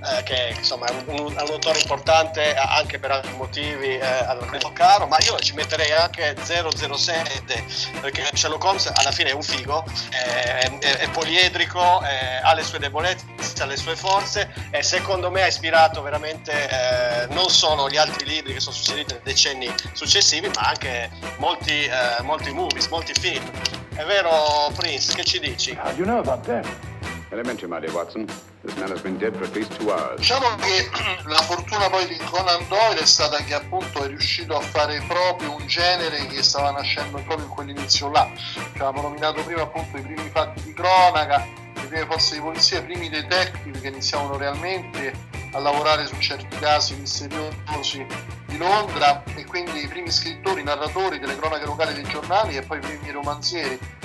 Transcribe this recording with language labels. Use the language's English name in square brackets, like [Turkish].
[Italian] Che insomma è un autore importante anche per altri motivi, allora, caro, ma io ci metterei anche 007, perché Sherlock Holmes alla fine è un figo, è poliedrico, ha le sue debolezze, ha le sue forze, e secondo me ha ispirato veramente non solo gli altri libri che sono succeduti nei decenni successivi, ma anche molti, molti movies, molti film. È vero, Prince, che ci dici? [English] How do you know about them? Elementary, my dear Watson. This man has been dead for at least 2 hours. [Italian] Diciamo che la fortuna poi di Conan Doyle è stata che appunto è riuscito a fare proprio un genere che stava nascendo proprio in quell'inizio là. Ci avevamo nominato prima appunto i primi fatti di cronaca, le prime forze di polizia, i primi detective che iniziavano realmente a lavorare su certi casi misteriosi di Londra, e quindi i primi scrittori, narratori delle cronache locali dei giornali e poi i primi romanzieri.